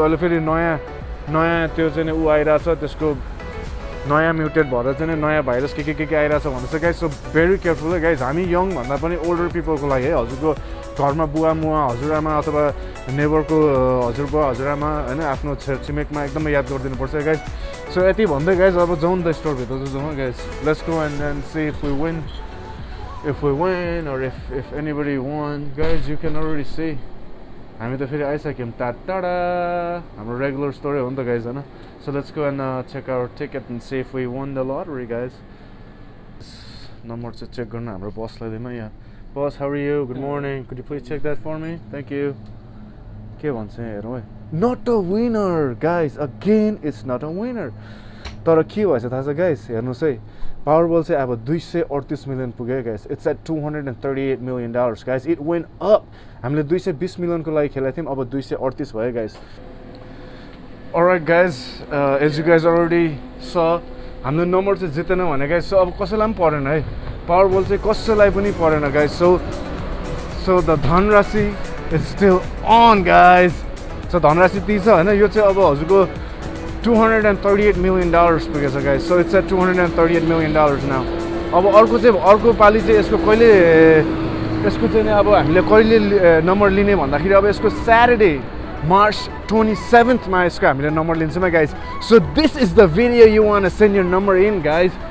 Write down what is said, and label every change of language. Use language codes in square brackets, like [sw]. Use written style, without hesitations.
[ne] अहिले फेरि नयाँ त्यो चाहिँ ऊ आइरहेछ, त्यसको नयाँ म्युटेट भएर चाहिँ नयाँ भाइरस के आइरहेछ भनेर चाहिँ गाइज, सो भेरी केयरफुल है गाइज. हामी यङ भन्दा पनि ओल्डर पिपलको लागि है, हजुरको घरमा बुवा मुवा हजुरआमा अथवा नेबरको हजुरबुवा हजुरआमा होइन, आफ्नो छेरछिमेकमा एकदमै याद गरिदिनुपर्छ है गाइज. सो यति भन्दै गाइज अब जाउँ द स्टोरभित्र जाउँ है guys, [en] Let's go and then see if we win or if anybody won guys. You can already see [ne] हामी त फेरि आइसक्यौँ टाटाडा, हाम्रो रेगुलर स्टोरी हो नि त गाइज होइन. [en] So let's go and check our ticket and see if we won the lottery guys. Number to check [ne] garna hamro boss lai dinu ya. [en] Boss how are you? Good morning. Could you please check that for me? Thank you. [ne] Ke bhanche hero hai. [en] Not a winner guys. Again it's not a winner. [ne] Tara ke bhayo thaha chha guys? Hernus hai. [en] Powerball [ne] chai aba 238 million pugyo guys. [en] It's at $238 million guys. It went up. [ne] Hamle 220 million ko lagi khelai thiyam aba 238 bhayo guys. [en] Alright guys, as you guys already saw, [ne] हाम्रो number चाहिँ जितेन भने guys, so अब कसैलाई पनि परेन है, Powerball चाहिँ कसैलाई पनि परेन गाइज. [en] So the धनराशि is still on guys. [ne] So धनराशि ती छ होइन, यो चाहिँ अब हजुरको $238 million पुगेछ guys. [en] So it's a $238 million now. [ne] अब अर्को चाहिँ अर्को पालि चाहिँ यसको कहिले यसको चाहिँ अब हामीले कहिले नम्बर लिने भन्दाखेरि, अब यसको Saturday March 27th ma yesko hamile number linchu ma guys. [en] So this is the video you want to send your number in guys.